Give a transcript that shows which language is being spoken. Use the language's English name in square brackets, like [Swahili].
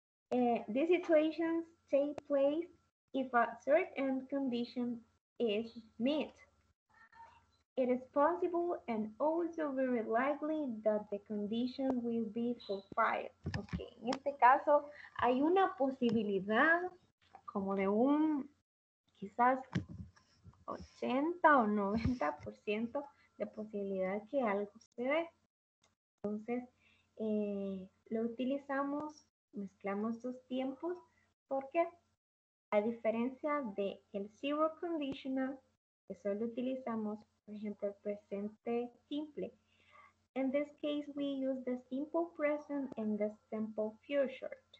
[English] These situations take place if a certain condition is met. It is possible and also very likely that the condition will be fulfilled. [Spanish] Ok, en este caso hay una posibilidad como de un quizás 80 o 90% de posibilidad que algo se dé. Entonces, lo utilizamos, mezclamos dos tiempos, porque a diferencia del zero conditional, que solo utilizamos, por ejemplo, el presente simple. [English] In this case, we use the simple present and the simple future.